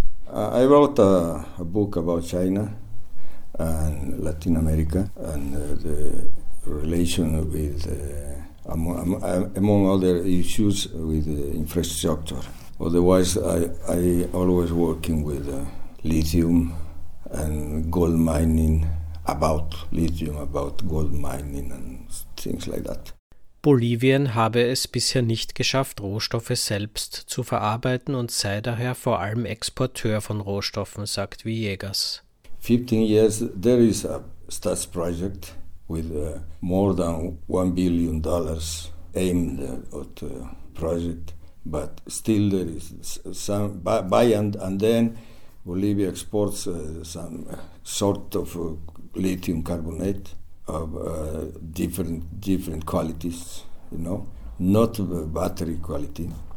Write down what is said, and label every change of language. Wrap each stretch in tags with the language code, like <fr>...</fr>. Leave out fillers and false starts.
<en>I wrote a book about China and Latin America and the relation with among other issues with infrastructure. Otherwise, I always working with lithium and gold mining, about lithium, about gold mining and things like that.</en> <de>Bolivien habe es bisher nicht geschafft, Rohstoffe selbst zu verarbeiten und sei daher vor allem Exporteur von Rohstoffen, sagt Villegas.</de> <en>15 years, there is a Stats project with more than $1 billion aimed at the project, but still there is some buy and then Bolivia exports some sort of lithium carbonate of different qualities, you know, not battery quality.</en>